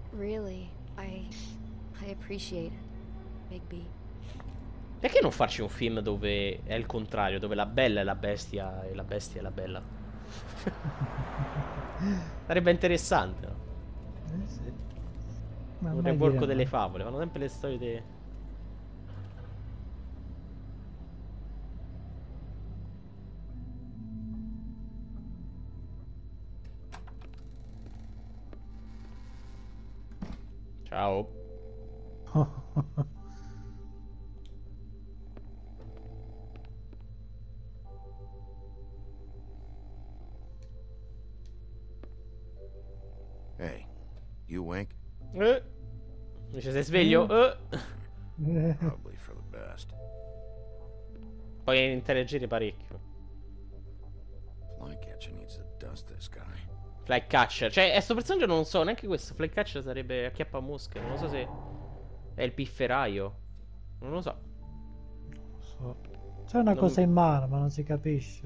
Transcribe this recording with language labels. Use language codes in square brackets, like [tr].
[en] Really, I appreciate it, Bigby. [it] Perché non farci un film dove è il contrario, dove la bella è la bestia e la bestia è la bella? Sarebbe interessante, no? Sì. Ma un porco delle favole, fanno sempre le storie di... Ciao. [en] Hey, you wake? [it] Invece sei sveglio? [en] Probably for the best. [it] Puoi interagire parecchio. [en] Flycatcher needs to dust this guy. [it] Flycatcher, cioè, sto personaggio non so, neanche questo. Flycatcher sarebbe acchiappa mosche. Non lo so se è il pifferaio. Non lo so. Non lo so. C'è una cosa in mano, ma non si capisce.